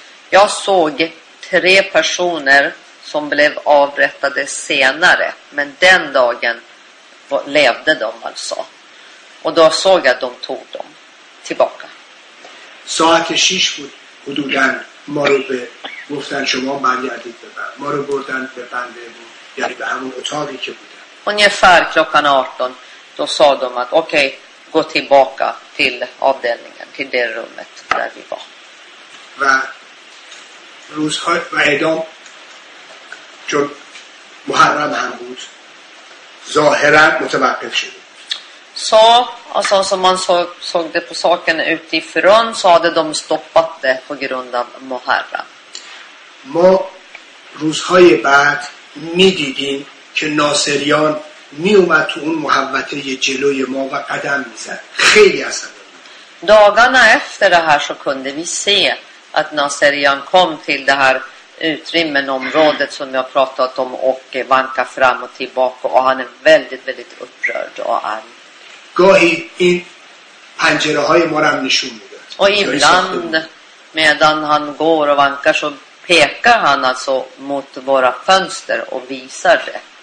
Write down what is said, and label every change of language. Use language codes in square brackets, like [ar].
[sv] Jag såg tre personer som blev avrättade senare, men den dagen levde de alltså. Och då såg jag att de tog dem tillbaka. Så att sjukvård hade gått morgon. [fa] گفتن شما برگردید به من. ما رو بردن به بنده بود. یعنی به همون اتاقی که بودن. [sv] Ungefär klockan 18 då sa de att okej, gå tillbaka till avdelningen, till det rummet där vi var. [fa] و روزهای و اعدام چون محرم هم بود ظاهرا متوقف شد. [sv] Så, alltså som man såg det på saken utifrån så hade de stoppat det på grund av Muharram. [fa] ما روزهای بعد می دیدیم که ناصریان می اومد تو اون محوطه جلوی ما و قدم می زد. خیلی عصبانی. [sv] Dagarna efter det här så kunde vi se att ناصریان kom till det här utrymmen området som jag pratat om och vanka fram och tillbaka och han är väldigt väldigt upprörd och arg. [fa] گاهی این پنجره های ما رو نشون می داد. [sv] Och ibland medan han går och vankar så pekar han alltså mot våra fönster och visar det.